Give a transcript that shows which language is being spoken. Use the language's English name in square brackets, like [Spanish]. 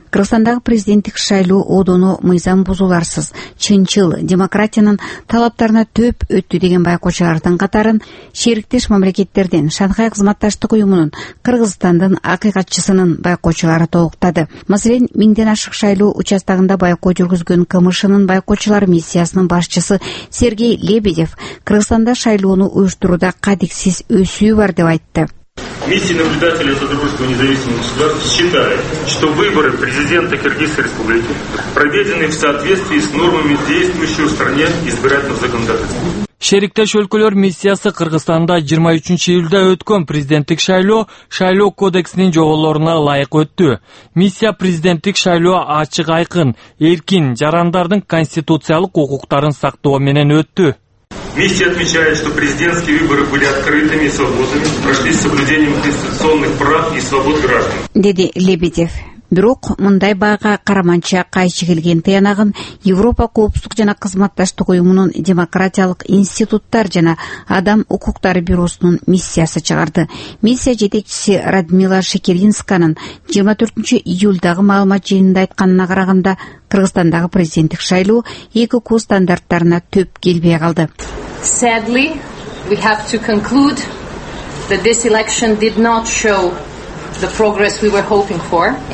[Kyrgyz] Кыргызстандагы президенттик шайлоо ОДОНО мыйзам бузууларсыз, чынчыл, демократиянын талаптарына төп өттү деген байкоочулардын катарын шериктеш мамлекеттерден Шанхай кызматташтык уюмунун Кыргызстандын акыйкатчысынын байкоочулары толуктады. Маселен, 1000 ашык шайлоо участогунда байкоо жүргүзгөн КМШнын байкоочулар миссиясынын башчысы Сергей Лебедев Кыргызстанда шайлоону уюштурууда кадексиз өсүү бар деп айтты. [Russian] Миссия наблюдателей Содружества независимых государств считает, что выборы президента Кыргызской республики проведены в соответствии с нормами действующего в стране избирательного законодательства. [Kyrgyz] Шериктеш өлкөлөр миссиясы Кыргызстанда 23 июлда өткөн президенттик шайлоо шайлоо кодексинин жоголоруна ылайык өттү. Миссия президенттик шайлоо ачык айкын, эркин, жарандардын конституциялык укуктарын сактоо менен өттү. [Russian] Миссия отмечает, что президентские выборы были открытыми и свободными, прошли с соблюдением конституционных прав и свобод граждан. [Kyrgyz] Деди Лебедев. Бирок мындай баага караманча кайчы келген тыянагын Европа коопсуздук жана кызматташтык уюмунун демократиялык институттар жана адам укуктары бюросунун миссиясы чыгарды. Миссия жетекчиси Радмила Шекеринсканын 24 июлдагы маалымат жыйынында айтканына караганда Кыргызстандагы президенттик шайлоо эки куу стандарттарына төп келбей калды. [English] Sadly, we have to conclude that this election did not show the progress we were hoping for.